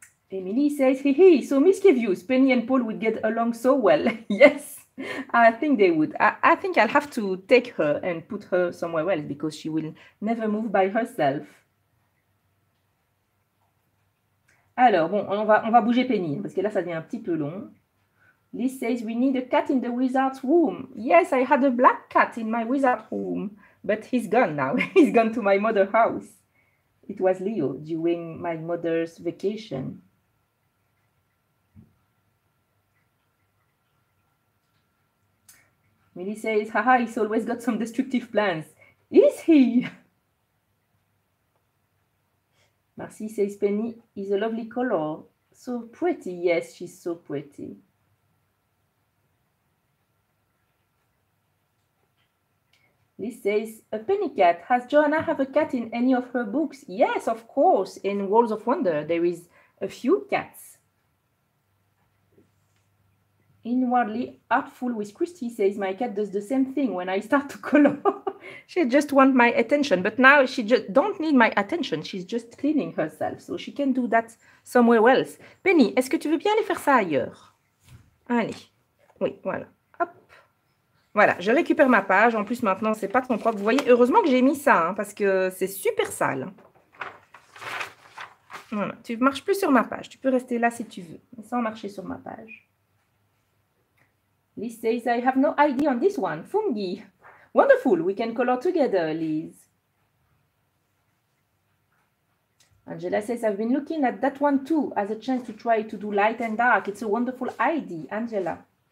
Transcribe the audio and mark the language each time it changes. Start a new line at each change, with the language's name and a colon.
English: Emily says, hey, so mischief views, Penny and Paul would get along so well. Yes, I think they would. I think I'll have to take her and put her somewhere else because she will never move by herself.
French: Alors, bon, on va bouger Penny parce que là, ça devient un petit peu long.
English: Liz says, we need a cat in the wizard's room. Yes, I had a black cat in my wizard room, but he's gone now. He's gone to my mother's house. It was Leo during my mother's vacation. Millie says, haha, he's always got some destructive plans. Is he? Marcy says, Penny is a lovely color. So pretty. Yes, she's so pretty. Liz says, a penny cat. Has Joanna have a cat in any of her books? Yes, of course. In Worlds of Wonder, there is a few cats. Inwardly artful with Christy says, my cat does the same thing when I start to color. She just wants my attention, but now she just don't need my attention. She's just cleaning herself, so she can do that somewhere else.
French: Penny, est-ce que tu veux bien aller faire ça ailleurs? Allez, oui, voilà, hop. Voilà, je récupère ma page. En plus, maintenant, c'est pas ton propre. Vous voyez, heureusement que j'ai mis ça, hein, parce que c'est super sale. Voilà, tu marches plus sur ma page. Tu peux rester là si tu veux, mais sans marcher sur ma page.
English: Liz says, I have no idea on this one. Fungi. Wonderful. We can color together, Liz. Angela says, I've been looking at that one too as a chance to try to do light and dark. It's a wonderful idea, Angela.